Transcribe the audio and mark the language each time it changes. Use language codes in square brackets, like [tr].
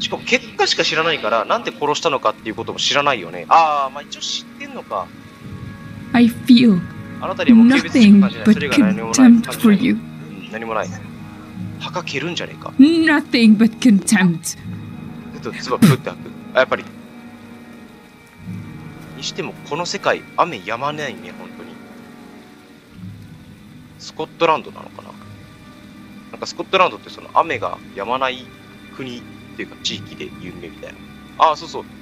[ja] しかも結果しか知らないから、なんで殺したのかっていうことも知らないよね。ああ、まあ一応知ってんのか。 [en] I feel nothing but contempt for you. [ja] 何もない。墓蹴るんじゃねえか。 [en] Nothing but contempt. [ja] ちょっと唾ぷって吐く。あ、やっぱり。にしてもこの世界、雨止まないね、本当に。スコットランドなのかな。なんかスコットランドってその雨が止まない国っていうか地域で有名みたいな。ああ、そうそう。